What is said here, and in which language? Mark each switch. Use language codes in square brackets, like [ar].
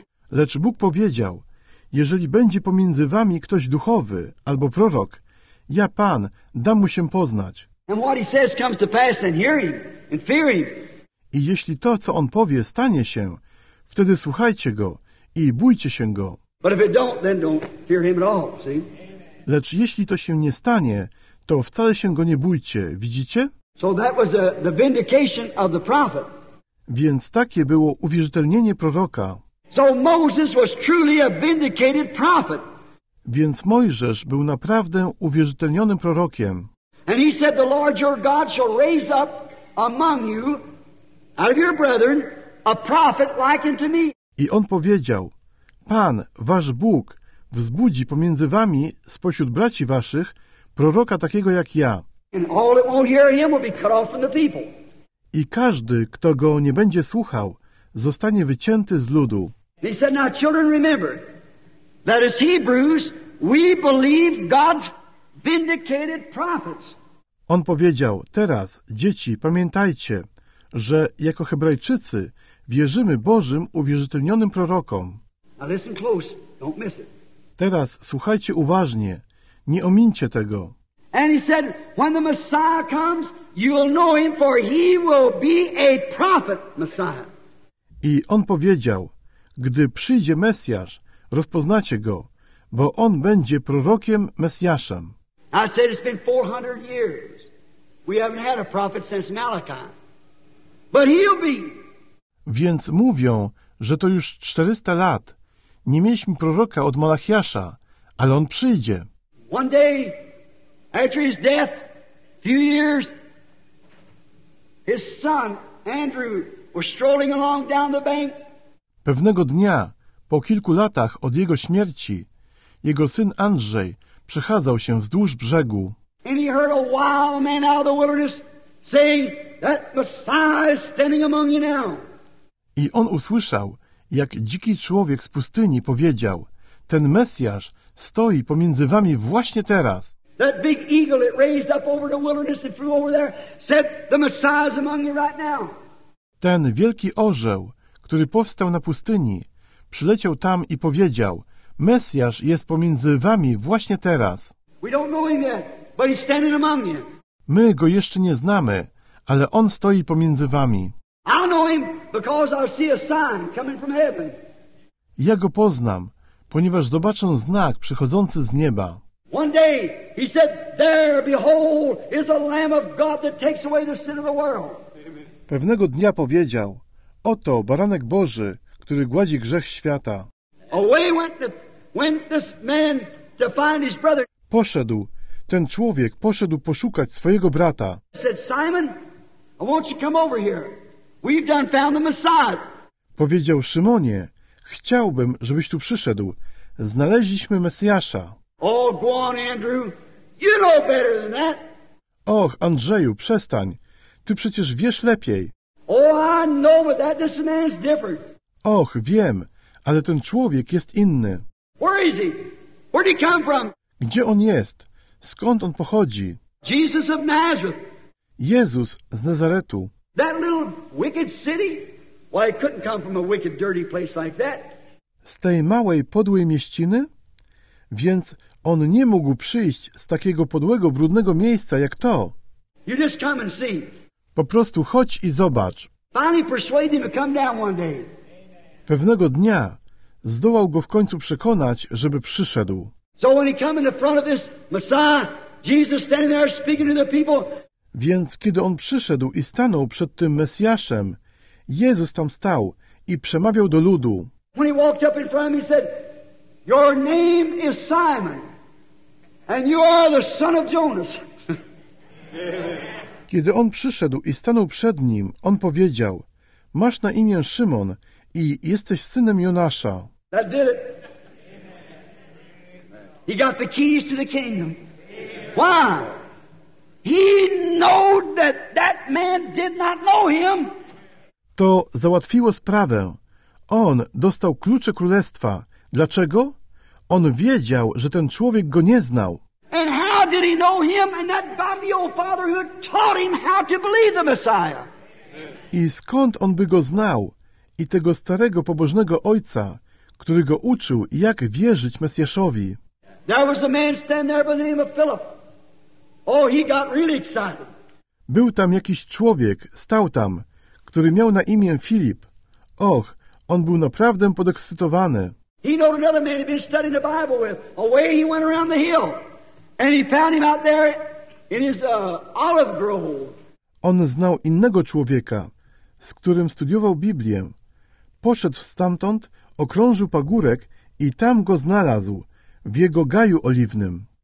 [pl] Lecz Bóg powiedział: "Jeżeli będzie pomiędzy wami ktoś duchowy albo prorok, ja, Pan, dam mu się poznać." [en] And what he says comes to pass, then hear him and fear him. [pl] I jeśli to, co on powie, stanie się, wtedy słuchajcie go i bójcie się go. [en] But if it don't, then don't fear him at all, see? [pl] Lecz jeśli to się nie stanie, to wcale się go nie bójcie, widzicie? [en] So that was the vindication of the prophet. [pl] Więc takie było uwierzytelnienie proroka. [en] So Moses was truly a vindicated prophet. [pl] Więc Mojżesz był naprawdę uwierzytelnionym prorokiem. [en] And he said, the Lord your God shall raise up among you, out of your brethren, a prophet like unto me. [pl] I on powiedział, Pan, wasz Bóg, wzbudzi pomiędzy wami, spośród braci waszych, proroka takiego jak ja. [en] And all that won't hear him will be cut off from the people. [pl] I każdy, kto go nie będzie słuchał, zostanie wycięty z ludu. [en] He said, now children, remember, that as Hebrews, we believe God's vindicated prophets. [pl] On powiedział, teraz, dzieci, pamiętajcie, że jako Hebrajczycy wierzymy Bożym uwierzytelnionym prorokom. [en] Now listen close, don't miss it. [pl] Teraz słuchajcie uważnie, nie omińcie tego. [en] And he said, when the Messiah comes, you'll know him, for he will be a prophet Messiah. [pl] I on powiedział, gdy przyjdzie Mesjasz, rozpoznacie go, bo on będzie prorokiem Mesjaszem. [en] I said, it's been 400 years. We haven't had a prophet since Malachi. But he'll be. [pl] Więc mówią, że to już 400 lat. Nie mieliśmy proroka od Malachiasza, ale on przyjdzie. [en] One day, after his death, few years, his son, Andrew, was strolling along down the bank. [pl] Pewnego dnia, po kilku latach od jego śmierci, jego syn Andrzej przechadzał się wzdłuż brzegu. [en] And he heard a wild man out of the wilderness saying, that Messiah is standing among you now. [pl] I on usłyszał, jak dziki człowiek z pustyni powiedział, ten Mesjasz stoi pomiędzy wami właśnie teraz. [en] That big eagle that raised up over the wilderness and flew over there said, the Messiah is among you right now. [pl] Ten wielki orzeł, który powstał na pustyni, przyleciał tam i powiedział, Mesjasz jest pomiędzy wami właśnie teraz. [en] We don't know him yet, but he's standing among you. [pl] My go jeszcze nie znamy, ale on stoi pomiędzy wami. [en] I know him because I see a sign coming from heaven. [pl] Ja go poznam, ponieważ zobaczę znak przychodzący z nieba. [en] One day he said, there, behold, is a Lamb of God that takes away the sin of the world. [pl] Pewnego dnia powiedział, oto Baranek Boży, który gładzi grzech świata. [en] Away went this man to find his brother. [pl] Poszedł, ten człowiek poszedł poszukać swojego brata. [en] Said, Simon, I want you to come over here. We've done found the Messiah. [pl] Powiedział Szymonie, chciałbym, żebyś tu przyszedł. Znaleźliśmy Mesjasza. [en] Oh, go on, Andrew. You know better than that. [pl] Och, Andrzeju, przestań. Ty przecież wiesz lepiej. [en] Oh, I know, but that this man is different. [pl] Och, wiem, ale ten człowiek jest inny. [en] Where is he? Where did he come from? [pl] Gdzie on jest? Skąd on pochodzi? [en] Jesus of Nazareth. [pl] Jezus z Nazaretu. [en] That little wicked city? Why, it couldn't come from a wicked, dirty place like that. [pl] Z tej małej, podłej mieściny? Więc on nie mógł przyjść z takiego podłego, brudnego miejsca jak to. [en] You just come and see. [pl] Po prostu chodź i zobacz. [en] Finally persuaded him to come down one day. [pl] Pewnego dnia zdołał go w końcu przekonać, żeby przyszedł. [en] So when he come in the front of this Messiah, Jesus standing there speaking to the people. [pl] Więc kiedy on przyszedł i stanął przed tym Mesjaszem, Jezus tam stał i przemawiał do ludu. [en] When he walked up in front of him, he said, your name is Simon, and you are the son of Jonas. [pl] Kiedy on przyszedł i stanął przed nim, on powiedział, masz na imię Szymon i jesteś synem Jonasza. [en] That did it. He got the keys to the kingdom. Why? He knew that that man did not know him. [pl] To załatwiło sprawę. On dostał klucze królestwa. Dlaczego? On wiedział, że ten człowiek go nie znał. [en] And how did he know him and that godly old father who taught him how to believe the Messiah? [pl] I skąd on by go znał i tego starego pobożnego ojca, który go uczył, jak wierzyć Mesjaszowi? [en] There was a man standing there by the name of Philip. Oh, he got really excited. [pl] Był tam jakiś człowiek, stał tam, który miał na imię Filip. Och, on był naprawdę podekscytowany. [en] He knew another man he'd been studying the Bible with. Away he went around the hill. And he found him out there in his olive grove. [pl] On znał innego człowieka, z którym studiował Biblię. Poszedł stamtąd, okrążył pagórek i tam go znalazł, w jego gaju oliwnym.